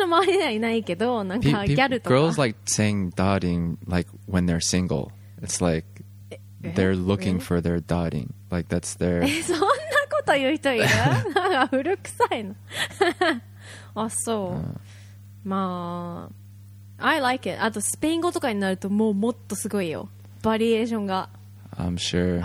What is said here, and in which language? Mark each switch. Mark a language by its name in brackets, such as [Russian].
[Japanese] なんかダーリンとか言う人はいる。私の周りではいないけど、なんかギャルとか。 [English] Girls like saying darling like when they're single. It's like they're looking for their darling. Like that's their. [Japanese] そんなこと言う人いる？なんか古臭いの。 [English] I like it. [Japanese] あとスペイン語とかになるともうもっとすごいよ。バリエーションが。 [English] I'm sure.